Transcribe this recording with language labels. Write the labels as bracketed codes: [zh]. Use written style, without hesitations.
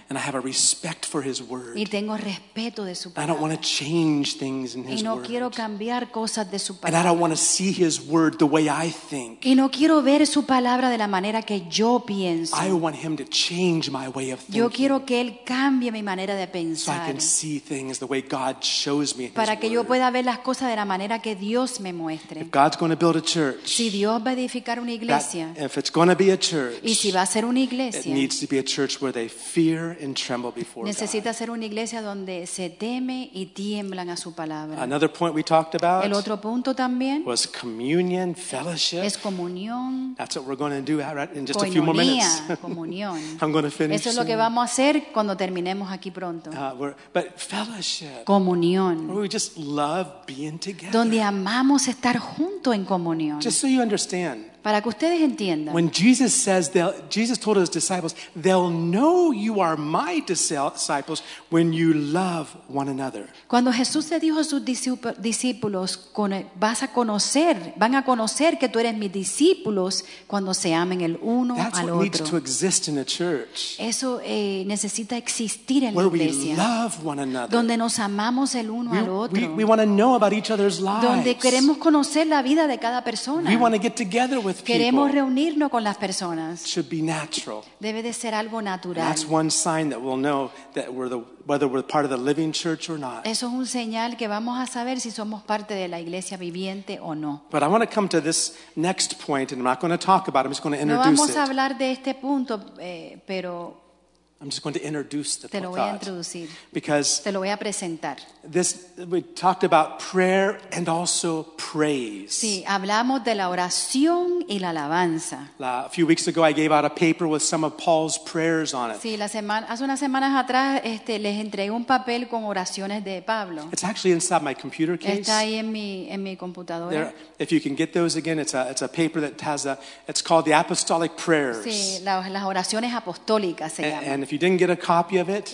[en] And I have a respect for His word. [es] Y tengo respeto de su palabra. [en] I don't want to change things in His word. [es] Y no [en] word. [es] Quiero cambiar cosas de su palabra. [en] And I don't want to see His word the way I think. [es] Y no quiero ver su palabra de la manera que yo pienso. [en] I want Him to change my way of thinking. [es] Yo quiero que Él cambie mi manera de pensar. [en] So I can see things the way God shows me. [es] Para que [en] word. [es] Yo pueda ver las cosas de la manera que Dios me muestre. [en] If God's going to build a church, [es] si Dios va a edificar una iglesia, [en] that, if it's going to be a church, [es] y si va a ser una iglesia, [en] it needs to be a church where they fear and tremble before [es] necesita [en] God. [es] Ser una iglesia donde se teme y tiemblan a su palabra. [en] Another point we talked about, [es] el otro punto también, [en] was communion, fellowship. [es] Es comunión. [en] That's what we're going to do right in just [es] coinonía, [en] a few more minutes. [es] Comunión. [en] I'm going to finish. [es] Eso es lo [en] soon. [es] Que vamos a hacer cuando terminemos aquí pronto. [en] But fellowship. [es] Comunión. [en] Where we just love being together. [es] Donde amamos estar junto en comunión. [en] Just so you understand. [es] Para que ustedes entiendan. [en] When Jesus says, Jesus told his disciples, they'll know you are my disciples when you love one another. [es] Cuando Jesús le dijo a sus discípulos, van a conocer que tú eres mis discípulos cuando se amen el uno [en] That's [es] al otro. [en] That's what needs to exist in a church. [es] Eso necesita existir en [en] where [es] la iglesia. [en] Where we love one another. [es] Donde nos amamos el uno al otro. [en] We want to know about each other's lives. [es] Donde queremos conocer la vida de cada persona. [en] We want to get together with with [es] queremos [en] people [es] reunirnos con las personas. [en] Should be natural. [es] Debe de ser algo natural. [en] And that's one sign that we'll know that we're the, whether we're part of the living church or not. [es] Eso es un señal que vamos a saber si somos parte de la iglesia viviente o no. [en] But I want to come to this next point, and I'm not going to talk about it. I'm just going to introduce [es] it. No vamos [en] it [es] a hablar de este punto, pero [en] I'm just going to introduce the [es] te lo voy a introducir [en] thought, because [es] te lo voy a presentar. [en] This we talked about prayer and also praise. [es] Sí, hablamos de la oración y la alabanza. [en] A few weeks ago, I gave out a paper with some of Paul's prayers on it. [es] Sí, la semana, hace unas semanas atrás, les entregué un papel con oraciones de Pablo. [en] It's actually inside my computer case. [es] Está ahí en mi computadora. There, [en] if you can get those again, it's a paper that has a it's called the Apostolic Prayers. [es] Sí, las oraciones apostólicas se llaman. [en] And if you didn't get a copy of it,